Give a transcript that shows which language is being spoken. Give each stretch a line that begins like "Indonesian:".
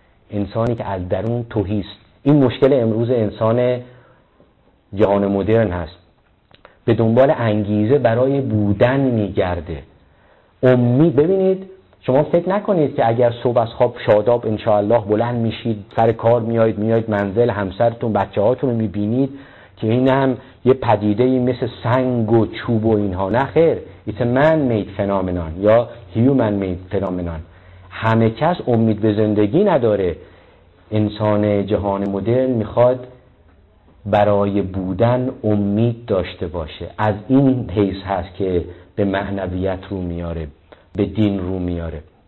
Persian: انسانی که از درون توهیست. این مشکل امروز انسان جهان مدرن هست، به دنبال انگیزه برای بودن میگرده، امید. ببینید شما فکر نکنید که اگر صبح از خواب شاداب انشاءالله بلند میشید، سر کار میایید منزل، همسرتون بچه هاتون رو میبینید که این هم یه پدیده مثل سنگ و چوب و اینها. نه خیر،
English: it's man made phenomenon
Persian: یا
English: human made phenomenon.
Persian: همه کس امید به زندگی نداره. انسان جهان مدرن میخواد برای بودن امید داشته باشه. از این حیث هست که به معنویت رو میاره، به دین رو میاره.